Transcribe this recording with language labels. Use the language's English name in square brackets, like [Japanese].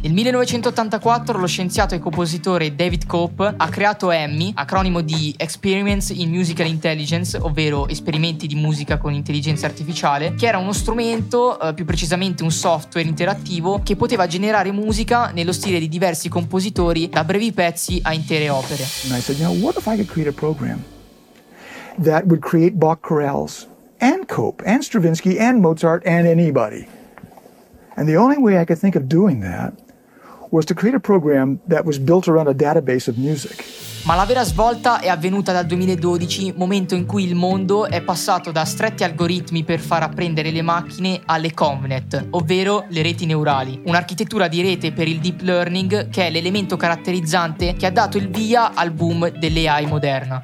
[Italian] Nel 1984 lo scienziato e compositore David Cope ha creato EMMI, acronimo di Experiments in Musical Intelligence, ovvero esperimenti di musica con intelligenza artificiale, che era uno strumento, più precisamente un software interattivo, che poteva generare musica nello stile di diversi compositori, da brevi pezzi a intere opere. [English] And I said, you know, what if I could create a program that would create Bach chorales and Cope and Stravinsky and Mozart and anybody? And the only way I could think of doing that was to create a program that was built around a database of music. [Italian] Ma la vera svolta è avvenuta dal 2012, momento in cui il mondo è passato da stretti algoritmi per far apprendere le macchine alle ConvNet, ovvero le reti neurali, un'architettura di rete per il deep learning che è l'elemento caratterizzante che ha dato il via al boom dell'AI moderna.